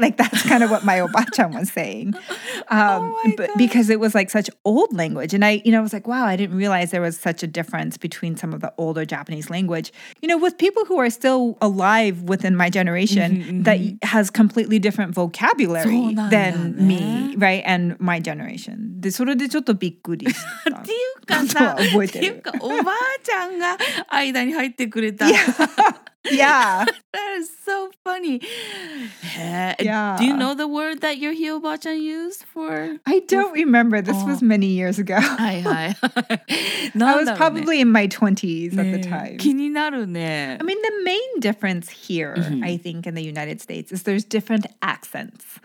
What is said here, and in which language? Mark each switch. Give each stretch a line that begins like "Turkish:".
English: Like that's kind of what my obachan was saying. Because it was like such old language. And I, you know, I was like, wow, I didn't realize there was such a difference between some of the older Japanese language. You know, with people who are still alive within my generation that has completely different vocabulary. than me, right? And my generation.
Japanese: で、それでちょっとびっくりした。っていうかさ、っていうか、おばあちゃんが間に入ってくれた。
English: Yeah. That is so funny. Yeah. Do you know the word that your hi obachan used for? I don't remember. This was many years ago. I was probably in my 20s at the time.
Japanese: 気になるね。
English: I mean, the main difference here, I think, in the United States is there's different accents.